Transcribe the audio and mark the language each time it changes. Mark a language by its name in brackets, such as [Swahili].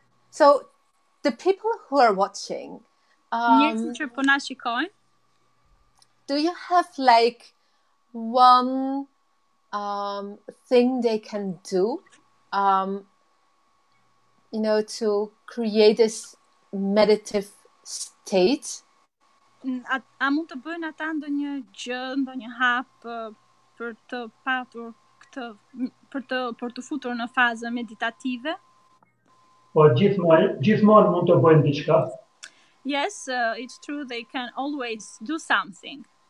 [English] So the people who are watching, do you have like one thing they can do, you know, to create this meditative state? [Albanian] A mund të bëjnë ata ndonjë gjë, ndonjë hap për të patur këtë, për të futur në fazë meditative? Po gjithmonë mund të bëjnë diçka. [English] Yes, it's true, they can always do something.